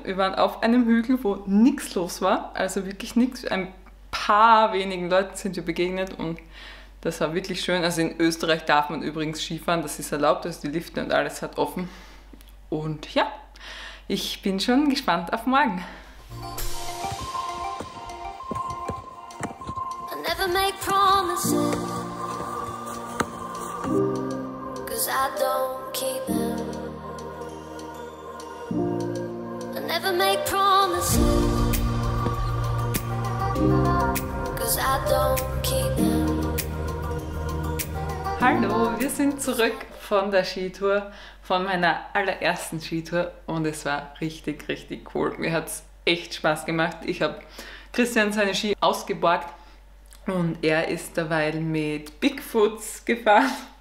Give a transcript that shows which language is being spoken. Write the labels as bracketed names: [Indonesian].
[German] Wir waren auf einem Hügel, wo nichts los war. Also wirklich nichts. Ein paar wenigen Leuten sind wir begegnet und das war wirklich schön. Also in Österreich darf man übrigens Skifahren. Das ist erlaubt. Also die Lifte und alles hat offen. Und ja, ich bin schon gespannt auf morgen. [English] I never make promises, 'cause I don't keep them. Never make promises, 'cause I don't keep them. [German] Hallo, wir sind zurück von der Skitour, von meiner allerersten Skitour, und es war richtig, richtig cool. Mir hat es echt Spaß gemacht. Ich habe Christian seine Ski ausgeborgt und er ist dabei mit Bigfoots gefahren.